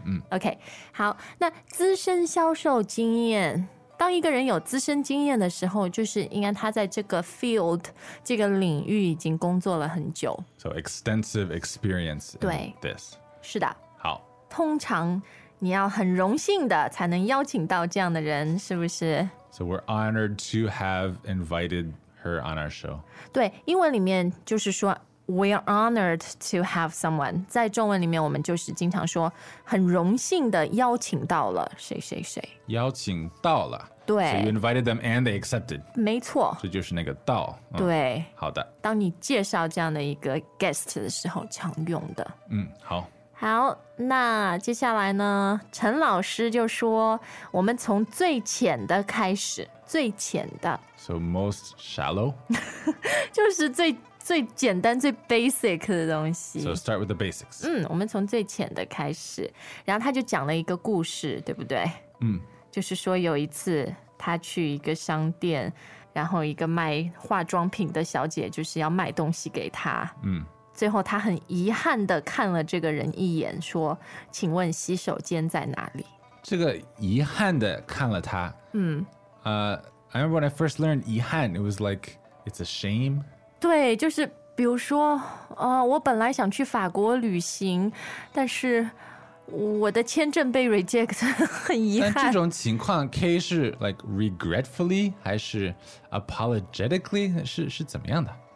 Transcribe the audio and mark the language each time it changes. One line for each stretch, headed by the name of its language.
Chinese: OK， 好，那资深销售经验，当一个人有资深经验的时候，就是应该他在这个 field 这个领域已经工作了很久。
English: So extensive experience.
Chinese: 对
English: ，this
Chinese: 是的。好，通常你要很荣幸的才能邀请到这样的人，是不是
English: ？So we're honored to have invited her on our show.
Chinese: 对，英文里面就是说
English: We are honored to have someone.
Chinese: 在中文里面我们就是经常说很荣幸的邀请到了谁谁谁。邀请到了。对。
English: So you invited them and they accepted.
Chinese: 没错。这就是那个到。对。好的。当你介绍这样的一个 guest 的时候常用的。嗯，好。好，那接下来呢，陈老师就说我们从最浅的开始，最浅的。
English: So most shallow?
Chinese: 就是最最简单最 basic 的东西。
English: So start with the basics.
Chinese: 嗯，我们从最浅的开始。然后他就讲了一个故事，对不对？嗯。就是说有一次他去一个商店，然后一个卖化妆品的小姐就是要卖东西给他。嗯。最后他很遗憾的看了这个人一眼说请问洗手间在哪里这个遗憾的看了他嗯
English: I remember when I first learned 遗憾 it was like it's a shame
Chinese: 对就是比如说我本来想去法国旅行但是我的签证被 reject 很遗憾但这种情况 K 是 like regretfully 还是 apologetically 是怎么样的